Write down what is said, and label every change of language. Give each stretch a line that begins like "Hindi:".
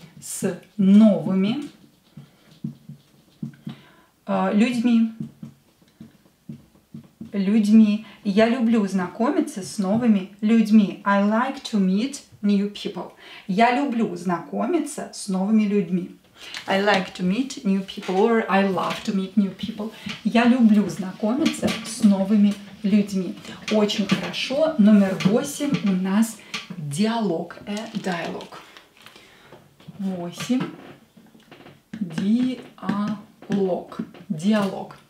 Russian: С новыми людьми. Людьми. Я люблю знакомиться с новыми людьми.
English: I like to meet new people.
Russian: Я люблю знакомиться с новыми людьми.
English: I like to meet new people, or I love to meet new people.
Russian: Я люблю знакомиться с новыми людьми. Очень хорошо. Номер 8 у нас диалог.
English: A dialogue.
Russian: 8. Диалог. Диалог.